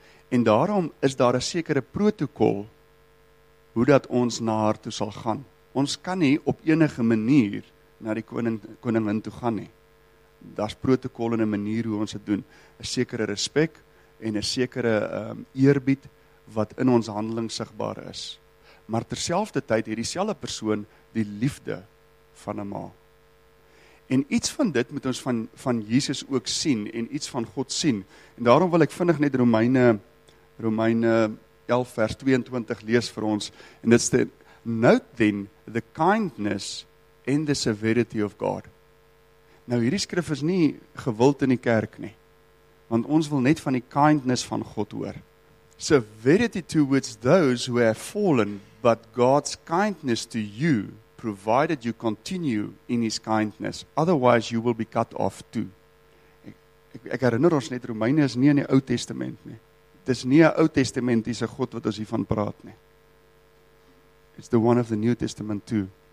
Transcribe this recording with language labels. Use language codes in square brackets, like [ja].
[af] En daarom is daar een sekere protokol, hoe dat ons na haar toe sal gaan. Ons kan nie op enige manier na die koningin toe gaan nie. Daar is protokol en een manier hoe ons dit doen. Een sekere respek en een sekere eerbied wat in ons handeling sigbaar is. Maar terselfde tyd het dieselfde persoon die liefde van 'n ma. En iets van dit moet ons van Jesus ook sien en iets van God sien. En daarom wil ek vinnig net Romeine 11 vers 22 lees vir ons. En dit sê, [en] note then the kindness and the severity of God. [af] Nou hierdie skrif is nie gewild in die kerk nie. Want ons wil net van die kindness van God hoor. [en] Severity towards those who have fallen, but God's kindness to you, provided you continue in his kindness, otherwise you will be cut off too. [af] Ek herinner ons net, Romeine is nie in die Ou Testament nie. Dit is nie 'n Ou Testamentiese God wat ons hiervan praat nie. [en] It's the one of the New Testament too.